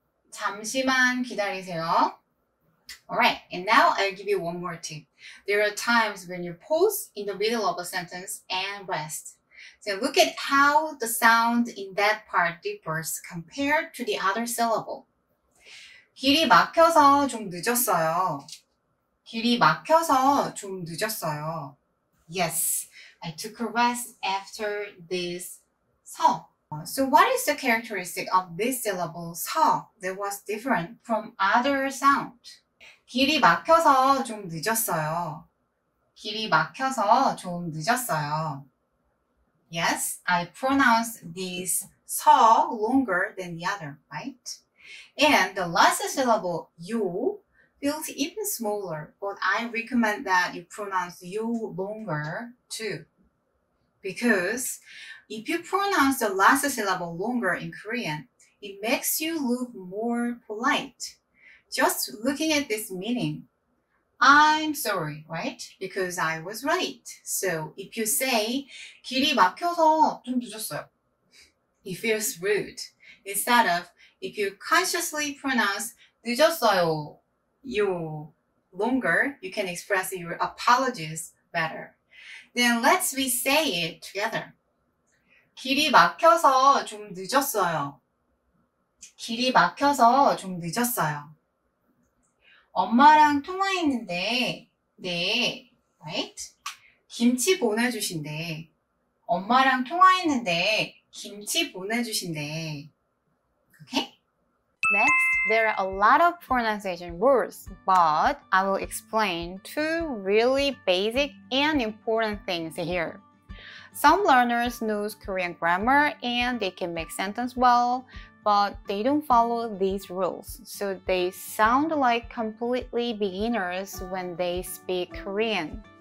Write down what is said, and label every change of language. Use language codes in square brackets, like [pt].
[ko] 잠시만 기다리세요. [en] Alright, and now I'll give you one more tip. There are times when you pause in the middle of a sentence and rest. So look at how the sound in that part differs compared to the other syllable. [ko] 길이 막혀서 좀 늦었어요. 길이 막혀서 좀 늦었어요. Yes, [en] I took a rest after this 서. So what is the characteristic of this syllable 서 that was different from other sound? [ko] 길이 막혀서 좀 늦었어요. 길이 막혀서 좀 늦었어요. [en] Yes, I pronounced this 서 longer than the other, right? And the last syllable 요 feels even smaller, but I recommend that you pronounce 요 longer too. Because if you pronounce the last syllable longer in Korean, it makes you look more polite. Just looking at this meaning, I'm sorry, right? Because I was late. So if you say, [ko] 길이 막혀서 좀 늦었어요, [en] it feels rude. Instead of, if you consciously pronounce [ko] 늦었어요, [en] you longer, you can express your apologies better. Then let's we say it together. [ko] 길이 막혀서 좀 늦었어요. 길이 막혀서 좀 늦었어요. 엄마랑 통화했는데, 네, right? 김치 보내주신대. 엄마랑 통화했는데, 김치 보내주신대. [en] Okay? Next, there are a lot of pronunciation words, but I will explain two really basic and important things here. Some learners know Korean grammar and they can make sentence well, but they don't follow these rules, so they sound like completely beginners when they speak Korean.